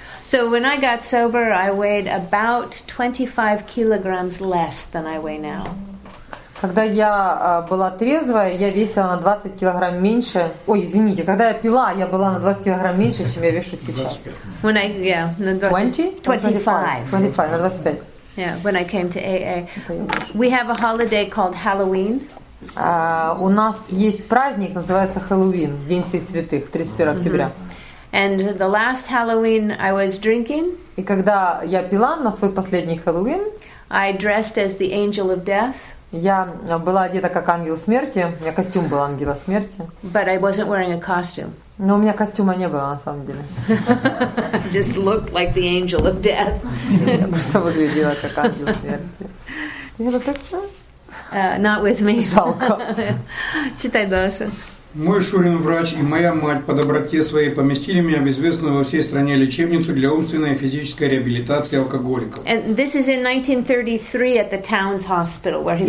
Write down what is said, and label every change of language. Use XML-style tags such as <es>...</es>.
<en>So when I got sober, I weighed about 25 kilograms less than I weigh now.</en> <ru>Когда я была трезвая, я весила на 20 килограмм меньше. Ой, извините, когда я пила, я была на 20 килограмм меньше, чем я вешу сейчас.</ru> <en>When I, yeah, 25.</en> <ru>На 25.</ru> <en>Yeah, when I came to AA. We have a holiday called Halloween.</en> <ru>У нас есть праздник, называется Хэллоуин, День всех святых, 31 октября.</ru> <en>And the last Halloween I was drinking.</en> <ru>И когда я пила на свой последний Хэллоуин,</ru> <en>I dressed as the angel of death.</en> <ru>Я была одета как ангел смерти. У меня костюм был ангела смерти.</ru> <en>But I wasn't wearing a costume.</en> <ru>Но у меня костюма не было на самом деле.</ru> <en>Just looked like the angel of death.</en> <ru>Я просто выглядела как ангел смерти. Ты видела</ru> <en>Not with me.</en> <ru>Жалко. Читай дальше. Мой Шурин врач и моя мать по доброте своей поместили меня в известную во всей стране лечебницу для умственной и физической реабилитации алкоголиков.</ru> <en>And this is in 1933 at the town's hospital where he</en>